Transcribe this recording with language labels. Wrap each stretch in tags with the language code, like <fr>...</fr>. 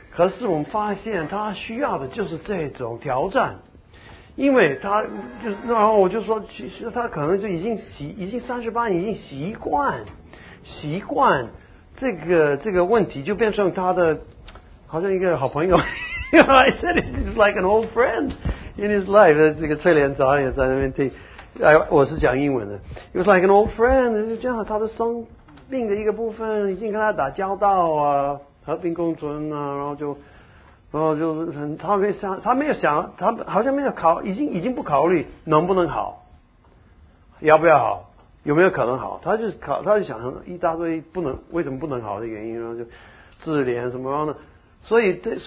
<zh>可是我们发现他需要的就是这种挑战，因为他就是，然后我就说，其实他可能就已经38年，已经习惯这个问题，就变成他的好像一个好朋友。</zh> <en>I said it's like an old friend in his life。</en> <zh>这个翠莲早上也在那边听，哎，我是讲英文的。</zh> <en>It was like an old friend，</en> <zh>就这样，他的生病的一个部分已经跟他打交道啊，和平共存啊，然后就是他没有想，他好像没有考，已经不考虑能不能好，要不要好，有没有可能好，他就想一大堆不能，为什么不能好的原因，然后就自怜什么，然后呢，所以</zh>